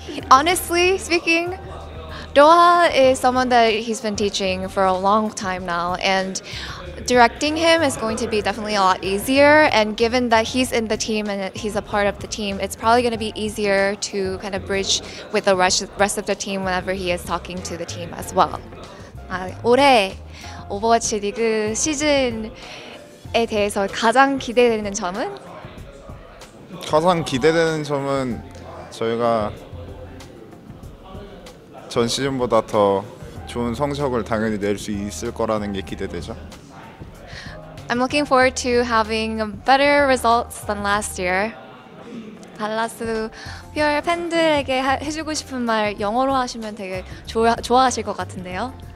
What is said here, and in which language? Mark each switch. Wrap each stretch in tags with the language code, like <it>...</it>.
<en>Honestly speaking, Doha is someone that he's been teaching for a long time now, and directing him is going to be definitely a lot easier. And given that he's in the team and he's a part of the team, it's probably going to be easier to kind of bridge with the rest of the team whenever he is talking to the team as well.</en> <ko>올해 오버워치 리그 시즌에 대해서 가장 기대되는 점은? 가장 기대되는 점은 저희가 전 시즌보다 더 좋은 성적을 당연히 낼수 있을 거라는 게 기대되죠.</ko> <en>I'm looking forward to having better results than last year.</en> <ko>달라스 퓨어 팬들에게 해주고 싶은 말 영어로 하시면 되게 좋아하실 것 같은데요.</ko>